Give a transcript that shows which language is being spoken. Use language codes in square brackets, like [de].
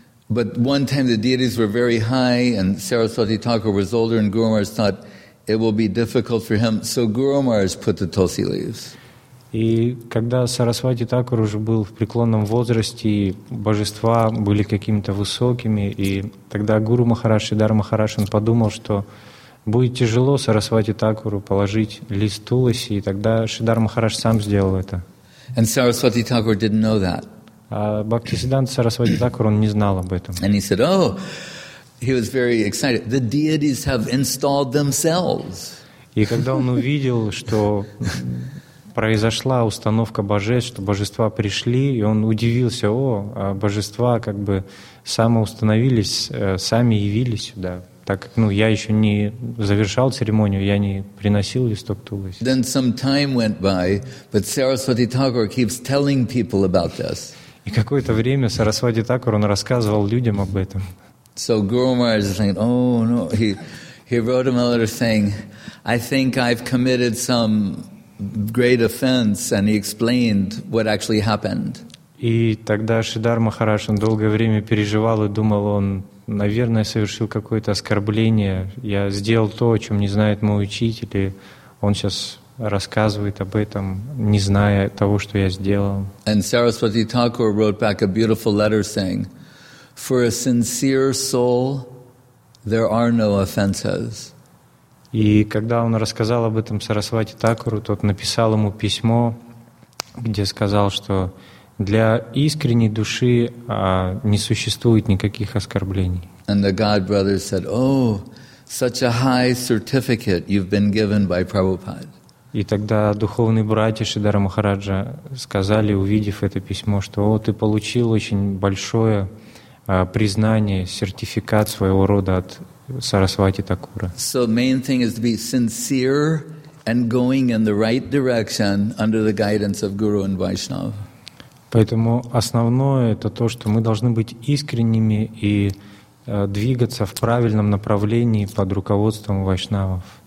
[en] But one time the deities were very high and Saraswati Thakur was older and Guru Maharaj thought it will be difficult for him. So Guru Maharaj put the tulsi leaves. [ru] И когда Сарасвати Такур уже был в преклонном возрасте, и божества были какими-то высокими, и тогда Гуру Махарадж, Шридхар Махарадж, он подумал, что будет тяжело Сарасвати Такуру положить лист туласи, и тогда Шридхар Махарадж сам сделал это. [en] And Saraswati Thakur didn't know that. [ru] А Бхактисиддханта Сарасвати Такур, он не знал об этом. [en] And he said, oh, he was very excited. The deities have installed themselves. [ru] И когда он увидел, что произошла установка божеств, что божества пришли, и он удивился, о, божества как бы самоустановились, сами явились сюда. Так как, ну, я еще не завершал церемонию, я не приносил листок туласи. [en] Then some time went by, but Saraswati Thakur keeps telling people about this. [ru] И какое-то время Сарасвати Такур, он рассказывал людям об этом. [en] So Guru Maharaj is saying, oh, no. He wrote him a letter saying, I think I've committed some great offense, and he explained what actually happened. [ru] И тогда Шридхар Махарадж, он долгое время переживал и думал, он, наверное, совершил какое-то оскорбление. Я сделал то, о чем не знает мой учитель, и он сейчас рассказывает об этом, не зная того, что я сделал. [en] And Saraswati Thakur wrote back a beautiful letter saying, for a sincere soul, there are no offenses. [ru] И когда он рассказал об этом Сарасвати Такуру, тот написал ему письмо, где сказал, что для искренней души не существует никаких оскорблений. [en] And the God brothers said, oh, such a high certificate you've been given by Prabhupada. [ru] И тогда духовные братья Шридхара Махараджа сказали, увидев это письмо, что «О, ты получил очень большое признание, сертификат своего рода от Сарасвати Такура». [en] So the main thing is to be sincere and going in the right direction under the guidance of Guru and Vaishnav. [ru] Поэтому основное — это то, что мы должны быть искренними и двигаться в правильном направлении под руководством вайшнавов.